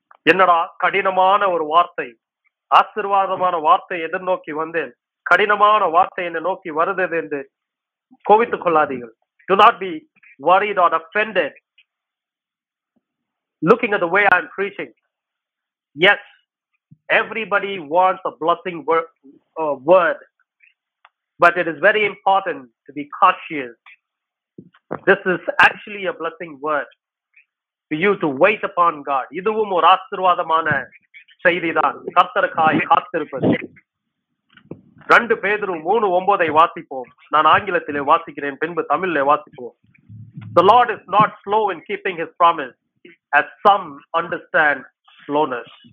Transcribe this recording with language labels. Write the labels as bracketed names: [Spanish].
[Tamil] என்னடா கடினமான ஒரு வார்த்தை, ஆசீர்வாதமான வார்த்தை எதிர்நோக்கி வந்தேன், கடினமான வார்த்தை என்னை நோக்கி வருது என்று கோபித்துக் கொள்ளாதீர்கள். [English] Do not be worried or offended looking at the way I'm preaching. Yes, everybody wants a blessing word, but it is very important to be cautious. This is actually a blessing word for you to wait upon God. [Tamil] இதுவும் ஒரு ஆசீர்வாதமான செய்திதான், கர்த்தருக்காய் காத்திருப்பது. 2 Peter 3:9 வாசிப்போம். நான் ஆங்கிலத்திலே வாசிக்கிறேன், பின்பு தமிழிலே வாசிப்போம். [English] The Lord is not slow in keeping his promise, as some understand slowness.